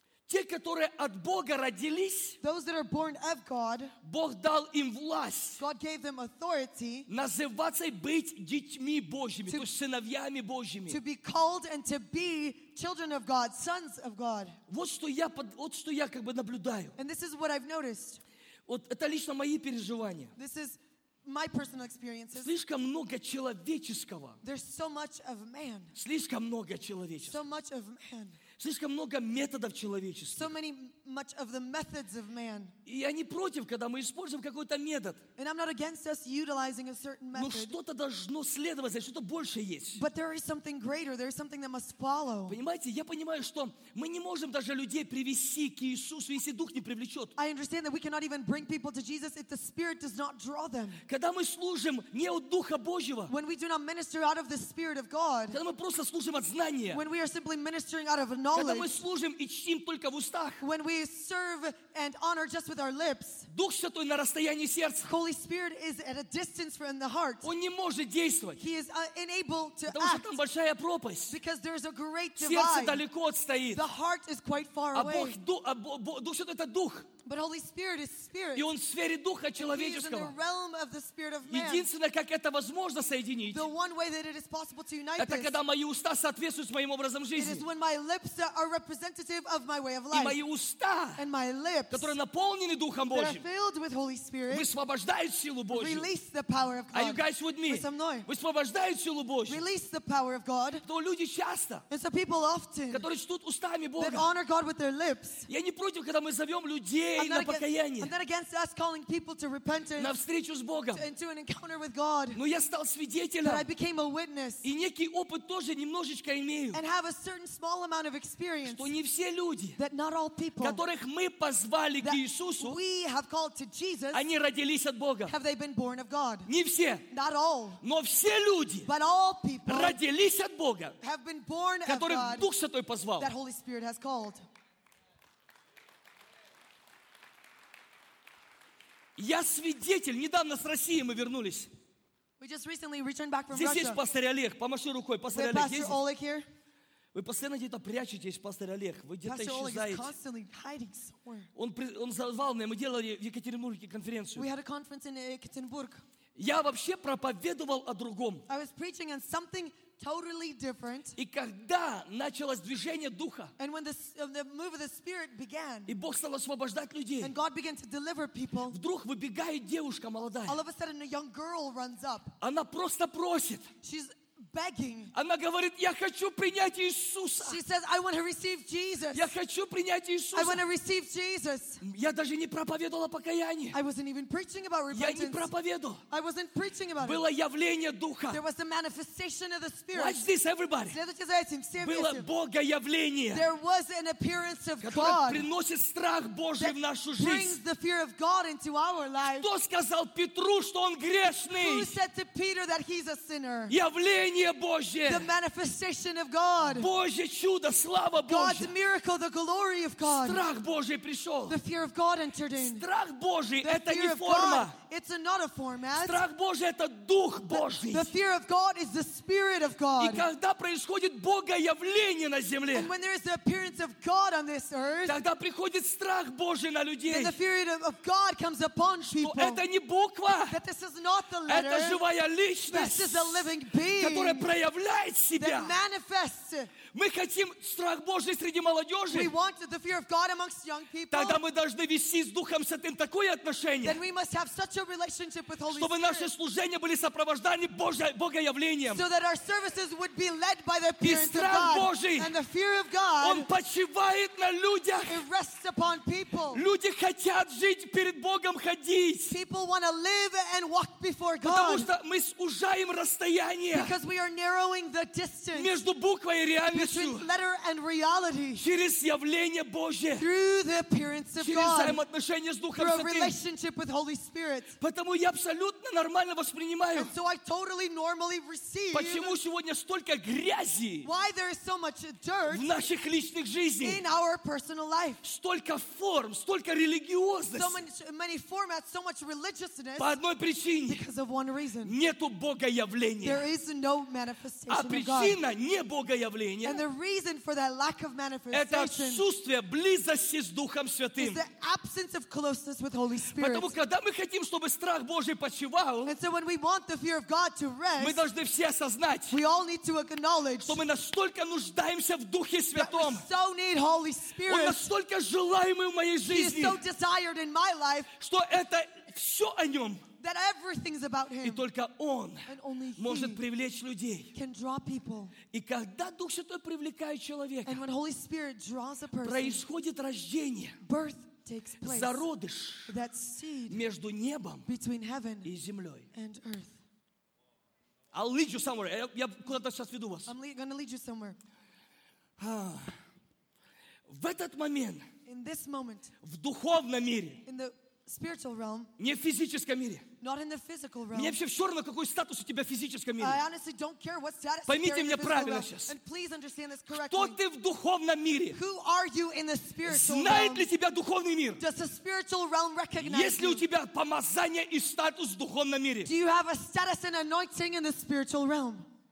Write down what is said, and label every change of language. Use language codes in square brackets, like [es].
[ru] Те, которые от Бога родились, [en] those that are born of God, [ru] Бог дал им власть, [en] God gave them authority, [ru] называться и быть детьми Божьими, то есть сыновьями Божьими. [en] To be called and to be children of God, sons of God. [ru] Вот что я как бы наблюдаю. [en] And this is what I've noticed. [ru] Вот это лично мои переживания. [en] This is my personal experiences. [ru] Слишком много человеческого. [en] There's so much of man. [ru] Слишком много человеческого. [en] So much of man. [ru] Слишком много методов человеческих. [en] So many, much of the methods of man. [ru] И я не против, когда мы используем какой-то метод. [en] And I'm not against us utilizing a certain method. [ru] Но что-то должно следовать, значит, что-то больше есть. [en] But there is something greater. There is something that must follow. [ru] Понимаете, я понимаю, что мы не можем даже людей привести к Иисусу, если Дух не привлечет. [en] I understand that we cannot even bring people to Jesus if the Spirit does not draw them. [ru] Когда мы служим не от Духа Божьего. [en] When we do not minister out of the Spirit of God. [ru] Когда мы просто служим от знания. [en] When we are simply ministering out of knowledge, [ru] когда мы служим и чтим только в устах, [en] when we serve and honor just with our lips, [ru] Дух Святой на расстоянии сердца, [en] Holy Spirit is at a distance from the heart, [ru] он не может действовать, [en] he is unable to act, [ru] потому что там большая пропасть, [en] because there is a great divide, [ru] сердце далеко отстоит, [en] the heart is quite far away, [ru] Дух Святой это Дух, [en] but Holy Spirit is Spirit, [ru] и он в сфере Духа человеческого, [en] he is in the realm of the Spirit of man, [ru] единственное, как это возможно соединить, [en] the one way that it is possible to unite, [ru] это когда мои уста соответствуют моим образом жизни, [en] it is when my lips are representative of my way of life. [ru] И мои уста, [en] and my lips, [ru] которые наполнены Духом Божьим, [en] that are filled with Holy Spirit, [ru] высвобождают силу Божью. [en] Release the power of God. Are you guys with me? With [ru] со мной. Высвобождают силу Божью. [en] Release the power of God. [ru] То люди часто, [en] and so people often, [ru] которые чтут устами Бога, [en] that honor God with their lips. [ru] Я не против, когда мы зовем людей людей на покаяние. [en] I'm not against us calling people to repentance. [ru] На встречу с Богом. [en] Into an encounter with God. [ru] Но я стал свидетелем. [en] But I became a witness. [ru] И некий опыт тоже немножечко имею. [en] And have a certain small amount of experience. [ru] Что не все люди, [en] that not all people, [ru] которых мы позвали к Иисусу, [en] we have called to Jesus, [ru] они родились от Бога. [en] Have they been born of God? [ru] Не все. [en] Not all. [ru] Но все люди, [en] but all people, [ru] родились от Бога, [en] have been born [ru] которых [en] of God, [ru] Дух Святой позвал. [en] That Holy Spirit has called. [ru] Я свидетель. Недавно с России мы вернулись. [en] We just recently returned back from [ru] здесь [en] Russia. [ru] Есть пастор Олег. Помаши рукой, пастор Олег. [en] Pastor [ru] есть? [en] Oleg here? [ru] Вы постоянно где-то прячетесь, пастор Олег. Вы где-то [en] pastor [ru] исчезаете. [en] Oleg is constantly hiding somewhere. [ru] Он звал меня. Мы делали в Екатеринбурге конференцию. [en] We had a conference in Ekaterinburg. [ru] Я вообще проповедовал о другом. [en] I was preaching on something totally different. [ru] И когда началось движение Духа, [en] and when the move of the Spirit began, [ru] и Бог стал освобождать людей, [en] and God began to deliver people, [ru] вдруг выбегает девушка молодая. [en] All of a sudden, a young girl runs up. [ru] Она просто просит. [en] She's begging. [ru] Она говорит, я хочу принять Иисуса. [en] She says, I want to receive Jesus. [ru] Я хочу принять Иисуса. [en] I want to receive Jesus. [ru] Я даже не проповедовал о покаянии. [en] I wasn't even preaching about repentance. [ru] Я не проповедовал. [en] I wasn't preaching about it. [ru] Было явление Духа. [en] There was a manifestation of the Spirit. Watch this, everybody. [ru] Следуйте за этим. Все вместе. Было Богоявление. [en] There was an appearance of God. [ru] Которое приносит страх Божий в нашу жизнь. [en] Brings the fear of God into our lives. [ru] Кто сказал Петру, что он грешный? [en] Who said to Peter that he's a sinner? [ru] Явление. [en] The manifestation of God. [ru] Божье чудо, слава Божья. [en] God's miracle, the glory of God. [ru] Страх Божий пришел. [en] The fear of God entered in. [ru] Страх Божий – это не форма. [en] It's not a format. [ru] Страх Божий – это Дух Божий. [en] The fear of God is the Spirit of God. [ru] И когда происходит Богоявление на земле, [en] and when there is the appearance of God on this earth, [ru] тогда приходит страх Божий на людей. [en] Then the fear of God comes upon people. [ru] Это не буква. [en] That this is not the letter. [ru] Это живая личность. [en] This is a living being. [ru] Которая проявляет себя. [en] That manifests. [ru] Мы хотим страх Божий среди молодежи. [en] We want the fear of God amongst young people. [ru] Тогда мы должны вести с Духом Святым такое отношение. [en] Then we must have such a relationship with Holy Spirit. [ru] Чтобы наши служения были сопровождены Богоявлением. [en] So that our services would be led by the appearance of God. [ru] И страх Божий. [en] And the fear of God. [ru] Он почивает на людях. [en] It rests upon people. [ru] Люди хотят жить перед Богом ходить. [en] People want to live and walk before God. [ru] Потому что мы сужаем расстояние. [en] Because we are narrowing the distance [ru] между буквой и реальностью, [en] between letter and reality, [ru] через явление Божие, [en] through the appearance of [ru] через [en] God, [ru] взаимоотношения с Духом Святым, [en] through a relationship with Holy Spirit. [ru] Потому я абсолютно нормально воспринимаю. [en] And so I totally normally receive. [ru] Почему сегодня столько грязи? [en] Why there is so much dirt [ru] в наших личных жизнях? [en] In our personal life. [ru] Столько форм, столько религиозности. [en] So many formats, so much religiousness. [ru] По одной причине. [en] Because of one reason. [ru] Нету Богоявления. [en] There is no manifestation. [ru] А причина не Богоявления. [en] And the reason for that lack of manifestation. [ru] Это отсутствие близости с Духом Святым. [en] Is the absence of closeness with Holy Spirit. [ru] Поэтому когда мы хотим, чтобы страх Божий почивал, [en] and so when we want the fear of God to rest, [ru] мы должны все осознать, [en] we all need to acknowledge, [ru] что мы настолько нуждаемся в Духе Святом. [en] That we so need Holy Spirit. [ru] Он настолько желаемый в моей жизни. [en] He is so desired in my life. [ru] Что это все о нем. [en] That everything's about him. [ru] И только он [en] and only he [ru] может привлечь людей. [en] Can draw people. [ru] И когда Дух Святой привлекает человека, [en] and when Holy Spirit draws a person, [ru] происходит рождение, [en] birth takes place, [ru] зародыш [en] that seed [ru] между небом [en] between heaven [ru] и землей. [en] And earth. I'll lead you somewhere. [ru] Я куда-то сейчас веду вас. [en] I'm gonna lead you somewhere. [ru] В этот момент, [en] in this moment, [ru] в духовном мире, [en] in the spiritual realm, [ru] не в физическом мире. [en] Not in the physical realm. [ru] Мне вообще все равно, какой статус у тебя в физическом мире. [en] I honestly don't care what status. [ru] Поймите меня правильно [en] realm, [ru] сейчас. [en] And please understand this correctly. [ru] Кто ты в духовном мире? [en] Who are you in the spiritual realm? [ru] Знает ли тебя духовный мир? [en] Does the spiritual realm recognize? [ru] Есть ли у тебя помазание и статус в духовном мире? [en] Do you have a status and anointing in the spiritual realm?